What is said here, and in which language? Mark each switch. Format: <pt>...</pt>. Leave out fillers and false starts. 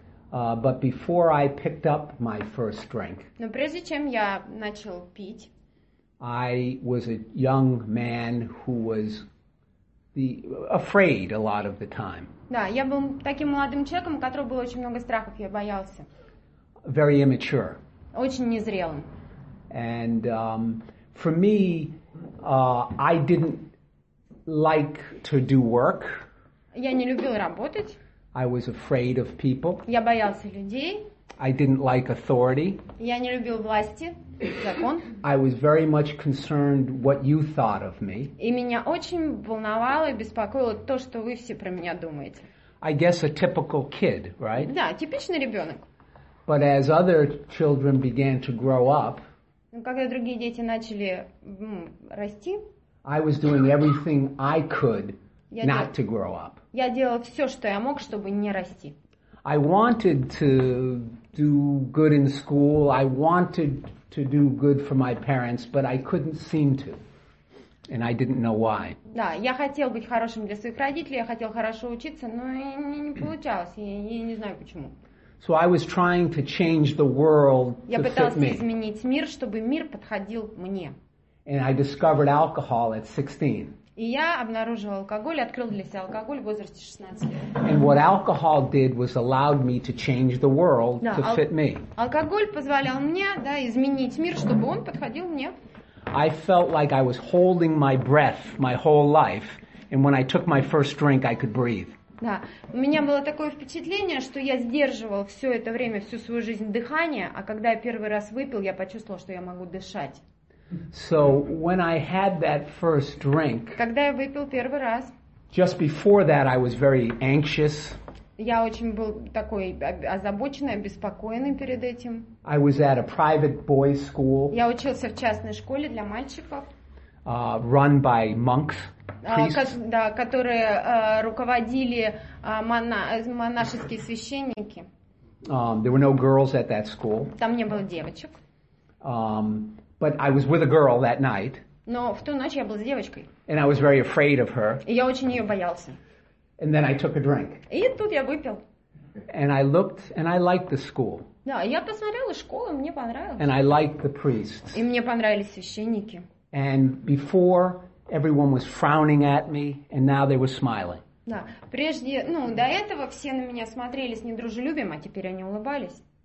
<en>But before I picked up my first drink,</en> <ru>но прежде чем я начал пить,</ru> <en>I was a young man who was afraid a lot of the time.</en> <ru>Да, я был таким молодым человеком, у которого было очень много страхов, я боялся.</ru> <en>Very immature.</en> <ru>Очень незрелым.</ru> <en>And for me, I didn't like to do work.</en> <ru>Я не любил работать.</ru> <en>I was afraid of people.</en> <ru>Я боялся людей.</ru> <en>I didn't like authority.</en> <ru>Я не любил власти, закон.</ru> <en>I was very much concerned what you thought of me.</en> <ru>И меня очень волновало и беспокоило то, что вы все про меня думаете.</ru> <en>I guess a typical kid, right?</en> <ru>Да, типичный ребенок.</ru> <en>But as other children began to grow up,</en> <ru>когда другие дети начали расти,</ru> <en>I was doing everything I could not to grow up.</en> <ru>Я делал все, что я мог, чтобы не расти.</ru> <en>I wanted to do good in school. I wanted to do good for my parents, but I couldn't seem to. And I didn't know why.</en> <ru>Да, я хотел быть хорошим для своих родителей, я хотел хорошо учиться, но не получалось, я не знаю почему.</ru> <en>So I was trying to change the world to fit me.</en> <ru>Я пытался изменить мир, чтобы мир подходил мне.</ru> <en>And I discovered alcohol at 16.</en> <ru>И я обнаружил алкоголь, открыл для себя алкоголь в возрасте 16 лет.</ru> <en>And what alcohol did was allowed me to change the world to fit me.</en> <ru>Алкоголь позволял мне, да, изменить мир, чтобы он подходил мне.</ru> <en>I felt like I was holding my breath my whole life, and when I took my first drink, I could breathe.</en> <ru>Да, у меня было такое впечатление, что я сдерживал все это время, всю свою жизнь дыхание, а когда я первый раз выпил, я почувствовал, что я могу дышать.</ru> <en>So when I had that first drink,</en> <ru>когда я выпил первый раз,</ru> <en>just before that I was very anxious.</en> <ru>Я очень был такой озабоченный, обеспокоенный перед этим.</ru> <en>I was at a private boys school.</en> <ru>Я учился в частной школе для мальчиков.</ru> <en>Run by monks, priests.</en> <ru>Да, которые руководили монашеские священники.</ru> <en>There were no girls at that school.</en> <ru>Там не было девочек.</ru> <en>But I was with a girl that night.</en> <ru>Но в ту ночь я был с девочкой.</ru> <en>And I was very afraid of her.</en> <ru>И я очень ее боялся.</ru> <en>And then I took a drink.</en> <ru>И тут я выпил.</ru> <en>And I looked, and I liked the school.</en> <ru>Да, я посмотрел и школу, мне понравилось.</ru> <en>And I liked the priests.</en> <ru>И мне понравились священники.</ru> <en>And before, everyone was frowning at me, and now they were smiling.</en> <ru>Да, прежде, до этого все на меня смотрели с недружелюбием, а теперь они улыбались.</ru>